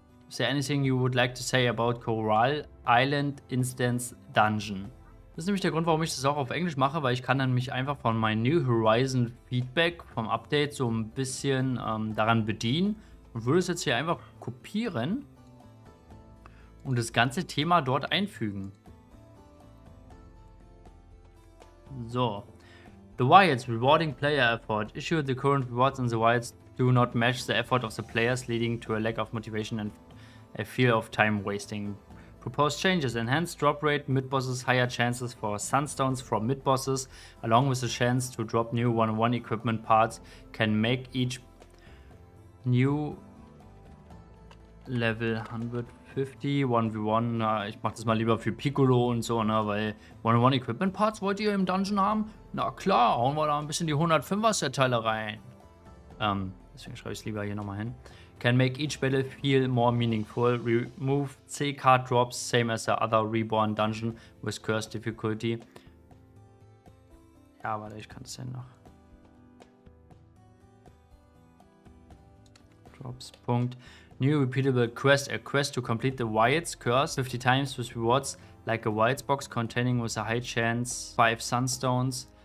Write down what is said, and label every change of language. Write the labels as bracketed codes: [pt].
[en] Is there anything you would like to say about Coral Island Instance Dungeon? [de] Das ist nämlich der Grund, warum ich das auch auf Englisch mache, weil ich kann dann mich einfach von meinem New Horizon Feedback vom Update so ein bisschen daran bedienen und würde es jetzt hier einfach kopieren und das ganze Thema dort einfügen. [en] So. The Wilds Rewarding Player Effort. Issue the current rewards in the Wilds do not match the effort of the players, leading to a lack of motivation and a fear of time wasting. Proposed changes: enhanced drop rate mid-bosses, higher chances for sunstones from mid-bosses, along with a chance to drop new 101 equipment parts, can make each new level 150 1v1. [de] Na, ich mach das mal lieber für Piccolo und so, ne, weil 101 equipment parts wollt ihr im Dungeon haben? Na klar, hauen wir da ein bisschen die 105er-Set-Teile rein. Deswegen schreibe ich es lieber hier nochmal hin. [en] Can make each battle feel more meaningful. Remove C-Card drops, same as the other Reborn Dungeon with Curse Difficulty. [de] Ja, warte, ich kann es denn noch. [en] Drops. Punkt. New repeatable quest. A quest to complete the Wilds Curse 50 times with rewards like a Wilds Box containing with a high chance 5 Sunstones.